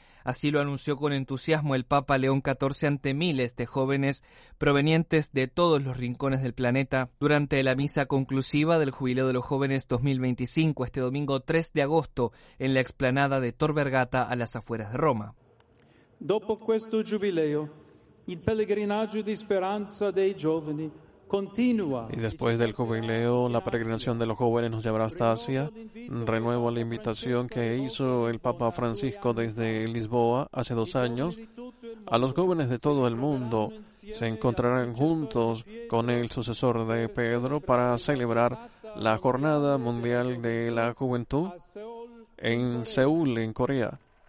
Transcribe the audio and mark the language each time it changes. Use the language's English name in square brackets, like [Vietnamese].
[Spanish] Así lo anunció con entusiasmo el Papa León XIV ante miles de jóvenes provenientes de todos los rincones del planeta durante la misa conclusiva del Jubileo de los Jóvenes 2025, este domingo 3 de agosto, en la explanada de Tor Vergata a las afueras de Roma. [Italian] Dopo questo giubileo, il pellegrinaggio di speranza dei giovani continúa. [Spanish] Y después del jubileo, la peregrinación de los jóvenes nos llevará hasta Asia. Renuevo la invitación que hizo el Papa Francisco desde Lisboa hace 2 años. A los jóvenes de todo el mundo se encontrarán juntos con el sucesor de Pedro para celebrar la Jornada Mundial de la Juventud en Seúl, en Corea.